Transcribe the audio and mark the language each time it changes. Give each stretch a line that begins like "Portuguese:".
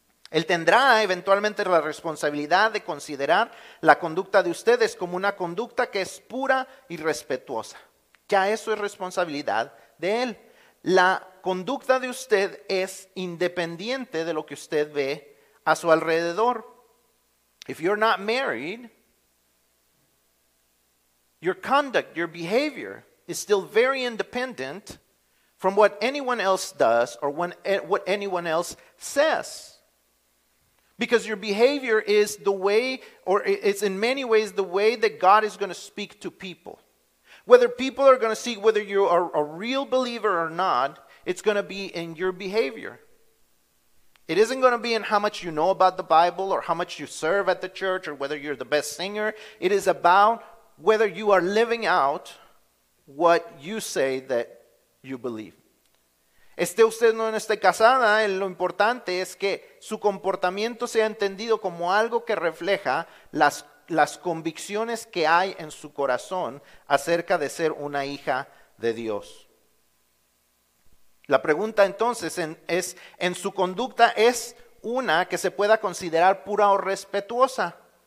Spanish: Él tendrá eventualmente la responsabilidad de considerar la conducta de ustedes como una conducta que es pura y respetuosa. Ya eso es responsabilidad de Él. La conducta de usted es independiente de lo que usted ve a su alrededor.
English: If you're not married, your conduct, your behavior is still very independent from what anyone else does or what anyone else says. Because your behavior is the way, or it's in many ways the way that God is going to speak to people. Whether people are going to see whether you are a real believer or not, it's going to be in your behavior. It isn't going to be in how much you know about the Bible or how much you serve at the church or whether you're the best singer. It is about whether you are living out what you say that you believe.
Spanish: Esté usted o no esté casada, lo importante es que su comportamiento sea entendido como algo que refleja las convicciones que hay en su corazón acerca de ser una hija de Dios. La pregunta entonces es, ¿en su conducta es una que se pueda considerar pura o respetuosa?